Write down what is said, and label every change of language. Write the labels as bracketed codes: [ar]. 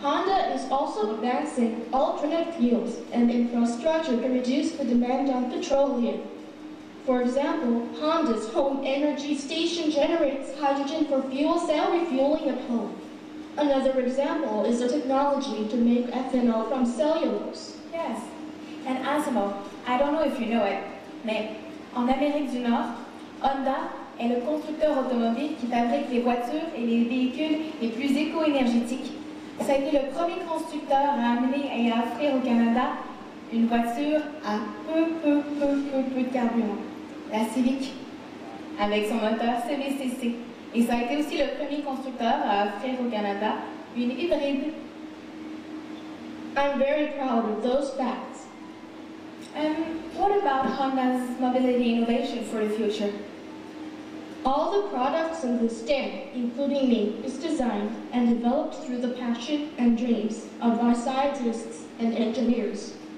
[en] Honda is also advancing alternate fuels and infrastructure to reduce the demand on petroleum. For example, Honda's home energy station generates hydrogen for fuel cell refueling at home. Another example is the technology to make ethanol from cellulose. Yes. And Asimo, I don't know if you know it, [fr] mais en Amérique du Nord, Honda est le constructeur automobile qui fabrique les voitures et les véhicules les plus éco-énergétiques. Ça a été le premier constructeur à amener et à offrir au Canada une voiture à peu de carburant. La Civic, avec son moteur CVCC. Et ça a été aussi le premier constructeur à offrir au Canada une hybride. [en] I'm very proud of those facts. What about Honda's mobility innovation for the future? All the products of this day, including me, is designed and developed through the passion and dreams of our scientists and engineers.